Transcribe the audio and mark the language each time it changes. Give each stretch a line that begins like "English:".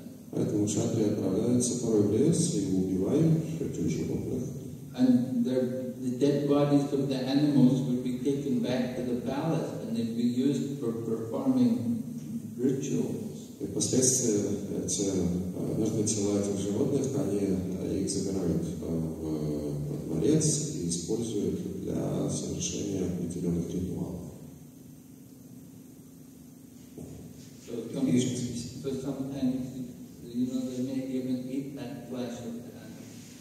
Russian: Поэтому кшатрия отправляется порой в лес и убивает этих животных.
English: And the dead bodies of the animals would be taken back to the palace and they'd be used for performing rituals.
Russian: И впоследствии эти мертвые тела этих животных, они их забирают в дворец и используют для совершения определенных ритуалов.
English: So sometimes, you know, they may even eat that flesh of the animals.